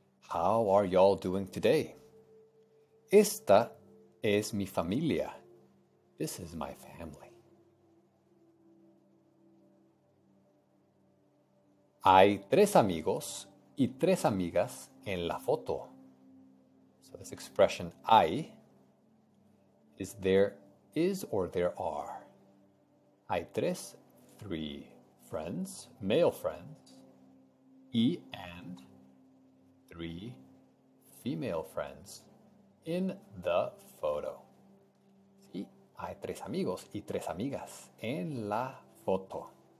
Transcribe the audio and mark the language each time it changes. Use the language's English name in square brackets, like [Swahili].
[English] How are y'all doing today? [Spanish] Esta es mi familia. [English] This is my family. [Spanish] Hay tres amigos y tres amigas en la foto. [English] So this expression hay is there is or there are. [Spanish] Hay tres. [English] Three friends, male friends, y and three female friends in the photo. [Spanish] Sí, hay tres amigos y tres amigas en la foto.